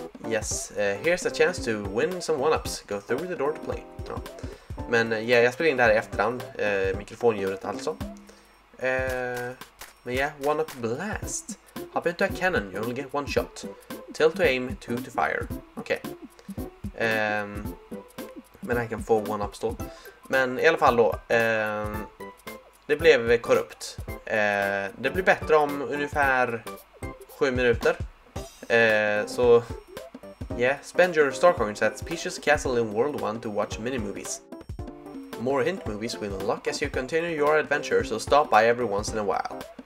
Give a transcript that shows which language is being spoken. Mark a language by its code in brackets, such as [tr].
[en] Yes, here's a chance to win some one-ups. Go through the door to play. [sv] Ja. Men yeah, jag spelar in det här i efterhand. Mikrofondjuret alltså. [en] Men yeah, one-up blast. Hop into a cannon, you only get one shot. Tilt to aim, two to fire. Okej. [sv] Men jag kan få one-ups då. Men i alla fall då. Det blev korrupt. Det blir bättre om ungefär 7 minuter. Så... [en] Yeah, spend your star coins at Peach's Castle in World 1 to watch mini-movies. More hint movies will unlock as you continue your adventure, so stop by every once in a while.